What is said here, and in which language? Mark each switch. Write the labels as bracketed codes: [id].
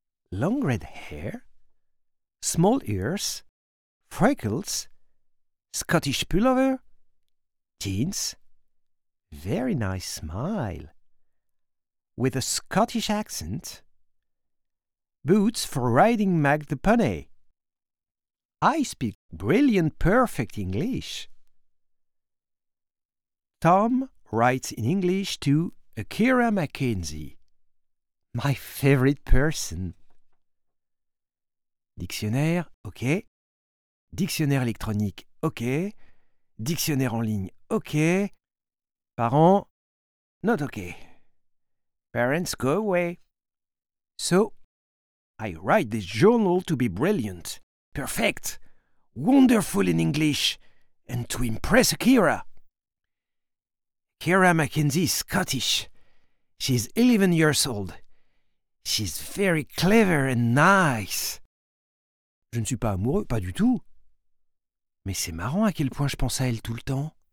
[en] Long red hair, small ears, freckles, Scottish pullover, jeans, very nice smile, with a Scottish accent, boots for riding Mag the Pony. I speak brilliant, perfect English. Tom writes in English to Akira McKenzie, my favorite person. Dictionnaire, ok. Dictionnaire électronique, ok. Dictionnaire en ligne, ok. Parents, not ok. Parents, go away. So, I write this journal to be brilliant. Perfect, wonderful in English, and to impress Akira. Akira McKenzie is Scottish. She's 11 years old. She's very clever and nice. [fr] Je ne suis pas amoureux, pas du tout. Mais c'est marrant à quel point je pense à elle tout le temps.